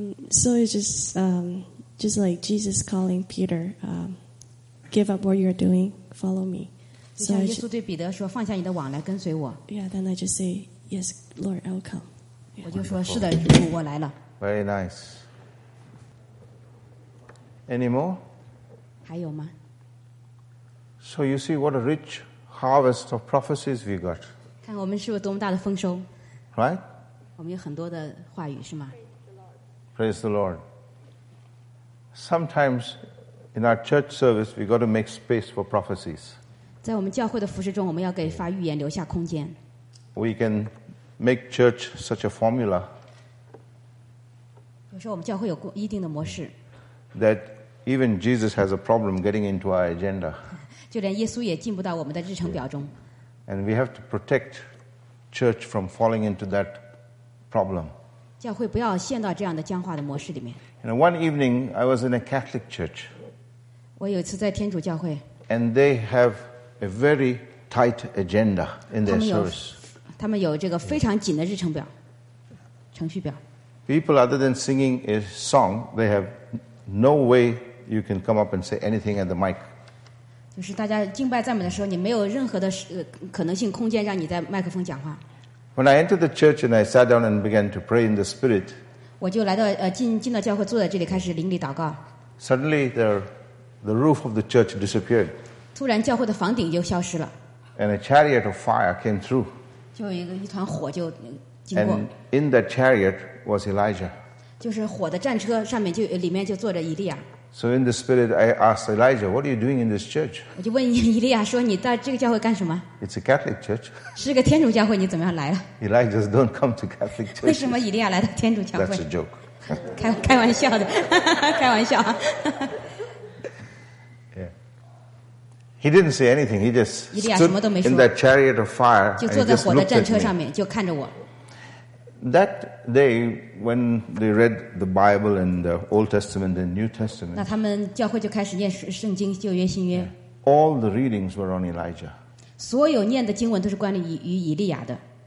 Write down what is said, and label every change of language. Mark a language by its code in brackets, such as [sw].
[en] So it's just like Jesus calling Peter, give up what you're doing, follow me. [zh] 就像耶稣对彼得说：“放下你的网来跟随我。” [en] Yeah, then I just say, "Yes, Lord, I'll come." [zh] 我就说：“是的，我来了。” [en] Very nice. Any more? [zh] 还有吗？ [en] So you see what a rich harvest of prophecies we got. [zh] 看我们是有多么大的丰收。 [en] Right? [zh] 我们有很多的话语，是吗？ [en] Praise the Lord. Sometimes in our church service, we got to make space for prophecies. [zh] 在我们教会的服事中，我们要给发预言留下空间。 [en] We can make church such a formula. [zh] 有时候我们教会有一定的模式。 [en] That even Jesus has a problem getting into our agenda. [zh] 就连耶稣也进不到我们的日程表中。 [en] And we have to protect church from falling into that problem. [zh] 教会不要陷到这样的僵化的模式里面。 [en] And one evening I was in a Catholic church. [zh] 我有一次在天主教会。 [en] And they have a very tight agenda in their service. [zh] 他们有这个非常紧的日程表，程序表。 [en] People other than singing a song, they have no way you can come up and say anything at the mic. [zh] 就是大家敬拜赞美的时候，你没有任何的可能性空间让你在麦克风讲话。 [en] When I entered the church and I sat down and began to pray in the spirit, [zh] 我就来到进了教会，坐在这里开始灵里祷告。 [en] Suddenly, the roof of the church disappeared. [zh] 突然，教会的房顶就消失了。 [en] And a chariot of fire came through. [zh] 就有一团火就经过。 [en] And in that chariot was Elijah. [zh] 就是火的战车上面就里面就坐着以利亚。 [en] So in the spirit, I asked Elijah, "What are you doing in this church?" [zh] 我就问以利亚说：“你到这个教会干什么？” [en] It's a Catholic church. [zh] 是个天主教会，你怎么样来了？ [en] Elijah don't come to Catholic church. [zh] 为什么以利亚来到天主教会？ [en] That's a joke. [zh] 开玩笑的，开玩笑。 [en] He didn't say anything. He just stood in that chariot of fire. [zh] 就坐在火的战车上面，就看着我。 [en] That day when they read the Bible and the Old Testament and New Testament. [zh] 那他们教会就开始念圣经旧约新约。 [en] All the readings were on Elijah. [zh] 所有念的经文都是关于以利亚的。